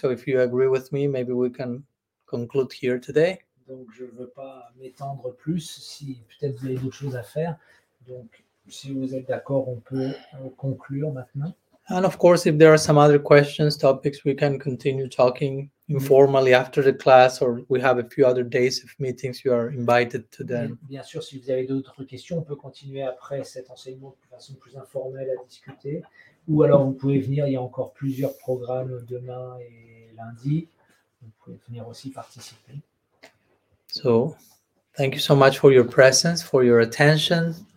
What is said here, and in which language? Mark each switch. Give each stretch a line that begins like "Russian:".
English: So if you agree with me, maybe we can conclude here today.
French: Donc je veux pas m'étendre plus. Si peut-être vous avez d'autres choses à faire. Donc si vous êtes d'accord, on peut conclure maintenant.
English: And of course, if there are some other questions, topics, we can continue talking informally after the class, or we have a few other days of meetings, you are invited to them.
French: Bien sûr, si vous avez d'autres questions, on peut continuer après cet enseignement de façon plus informelle à discuter. Ou alors vous pouvez venir, il y a encore plusieurs programmes demain et lundi. Vous pouvez venir aussi participer.
English: So, thank you so much for your presence, for your attention.